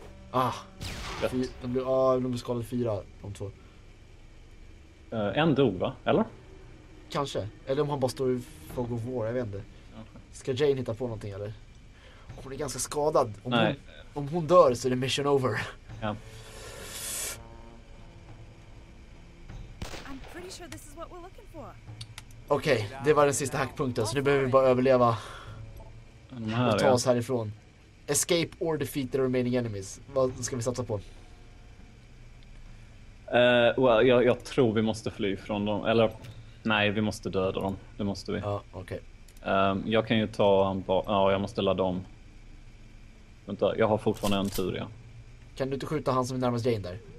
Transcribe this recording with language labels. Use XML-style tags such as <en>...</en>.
<sv>Ah, de blir skadade fyra, de två. En dog va, eller? Kanske, eller om han bara står i Fog of War, jag vet inte. Ska Jane hitta på någonting eller? Hon är ganska skadad. Om hon dör så är det mission over. Ja.</sv> <en>I'm pretty sure this is what we're looking for.</en> <sv>Okej, det var den sista hackpunkten. Så nu behöver vi bara överleva här, och ta oss härifrån.</sv> <en>Escape or defeat the remaining enemies.</en> <sv>Vad ska vi satsa på? Jag tror vi måste fly från dem. Eller nej, vi måste döda dem. Det måste vi. Ja, okej. Jag kan ju ta en jag måste ladda om. Vänta, jag har fortfarande en tur, ja. Kan du inte skjuta han som är närmast Jane där?</sv>